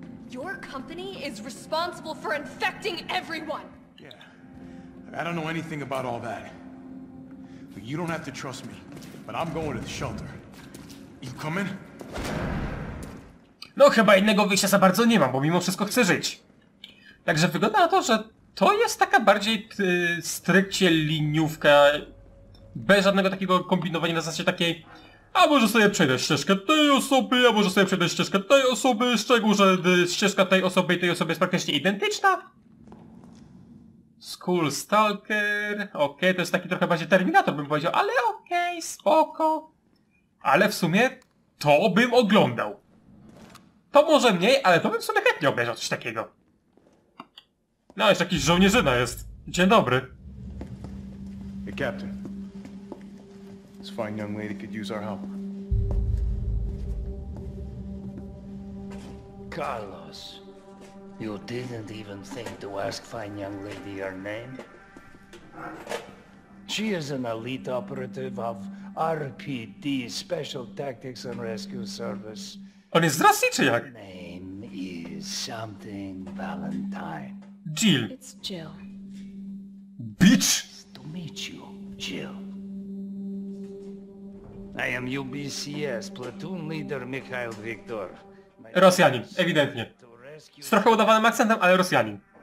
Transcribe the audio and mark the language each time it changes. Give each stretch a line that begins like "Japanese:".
English: Your company is responsible for infecting everyone. Yeah. I don't know anything about all that. But you don't have to trust me. But I'm going to the shelter. You coming?
Polish: No chyba innego wyjścia za bardzo nie mam, bo mimo wszystko chcę żyć. Także wygląda na to, że to jest taka bardziej stricte liniówka. Bez żadnego takiego kombinowania na zasadzie takiej. A może sobie przejdę ścieżkę tej osoby, a może sobie przejdę ścieżkę tej osoby, szczególnie, że ścieżka tej osoby i tej osoby jest praktycznie identyczna. Skull Stalker, okej, to jest taki trochę bardziej Terminator, bym powiedział, ale okej, spoko. Ale w sumie to bym oglądał. To może mniej, ale to bym w sumie chętnie obejrzał coś takiego. No, jeszcze jakiś żołnierzyna jest. Dzień dobry.
English: Hey, Captain. Fine young lady could use our help. Carlos, you didn't even think to ask fine young lady her name? She is an elite operative of RPD, Special Tactics and Rescue Service.
Polish: On jest z Rosji, czy jak?
English: Name is something Valentine. Jill. It's Jill. Bitch! Nice to meet you, Jill. I am UBCS, platoon leader Mikhail Viktor.
Polish: Rosjanin, ewidentnie. Z trochę udawanym akcentem, ale Rosjanin.